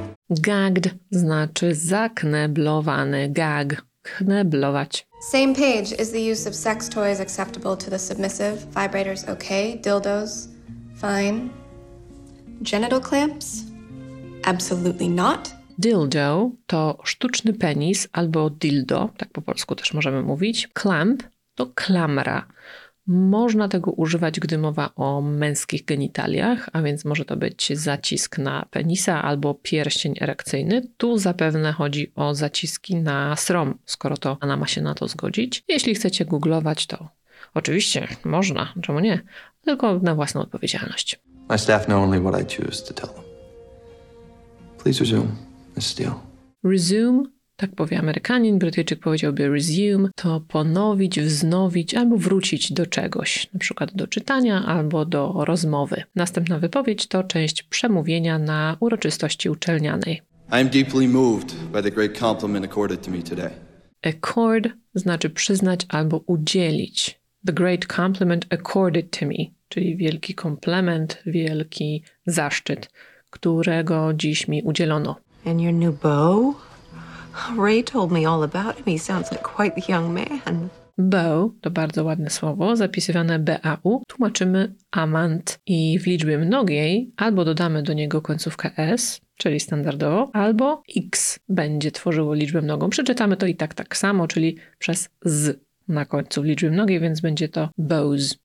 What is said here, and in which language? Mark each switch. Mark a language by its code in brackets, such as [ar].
[pl] Gagged znaczy zakneblowany, gag, kneblować. [en] Same page, is the use of sex toys acceptable to the submissive? Vibrators okay, dildos fine. Genital clamps? Absolutely not. [pl] Dildo to sztuczny penis albo dildo, tak po polsku też możemy mówić. Clamp to klamra. Można tego używać, gdy mowa o męskich genitaliach, a więc może to być zacisk na penisa albo pierścień erekcyjny. Tu zapewne chodzi o zaciski na srom, skoro to ona ma się na to zgodzić. Jeśli chcecie googlować, to oczywiście można, czemu nie? Tylko na własną odpowiedzialność. [en] My staff know only what I choose to tell them. Please resume, Miss Steele. Resume? [pl] Tak powie Amerykanin, Brytyjczyk powiedziałby resume, to ponowić, wznowić albo wrócić do czegoś, na przykład do czytania albo do rozmowy. Następna wypowiedź to część przemówienia na uroczystości uczelnianej. [en] I am deeply moved by the great compliment accorded to me today. [pl] Accord znaczy przyznać albo udzielić. [en] The great compliment accorded to me, [pl] czyli wielki komplement, wielki zaszczyt, którego dziś mi udzielono. [en] And your new bow? Ray told me all about him. He sounds like quite the young man. [pl] Beau to bardzo ładne słowo, zapisywane B-A-U. Tłumaczymy amant i w liczbie mnogiej albo dodamy do niego końcówkę S, czyli standardowo, albo X będzie tworzyło liczbę mnogą. Przeczytamy to i tak tak samo, czyli przez Z na końcu liczby mnogiej, więc będzie to Beau's.